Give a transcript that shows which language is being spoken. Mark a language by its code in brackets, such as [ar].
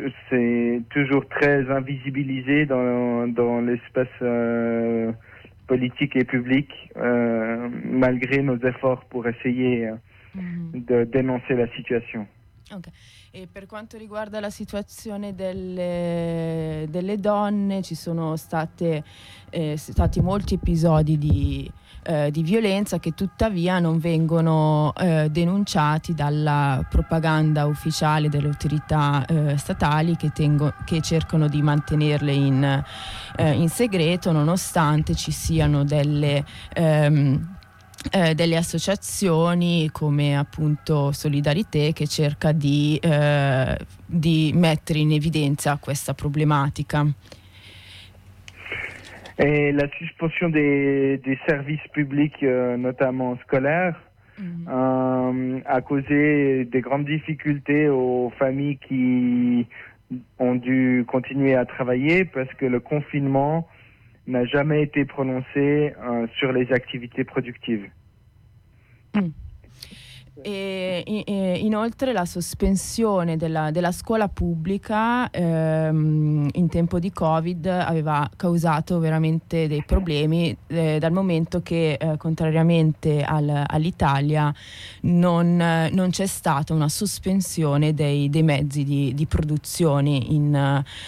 [fr] c'est toujours très invisibilisé dans l'espace politique et public, malgré nos efforts pour essayer [it] di denunciare la situazione. Okay. E per quanto riguarda la situazione delle donne, ci sono stati molti episodi di violenza che tuttavia non vengono denunciati dalla propaganda ufficiale delle autorità statali che cercano di mantenerle in segreto, nonostante ci siano delle associazioni come appunto Solidarité che cerca di mettere in evidenza questa problematica. [fr] Et la suspension des services publics notamment scolaires a causé des grandes difficultés aux familles qui ont dû continuer à travailler parce que le confinement n'a jamais été prononcé sur les activités productives. [it] Inoltre la sospensione della scuola pubblica in tempo di Covid aveva causato veramente dei problemi dal momento che contrariamente all'Italia non c'è stata una sospensione dei mezzi di produzione in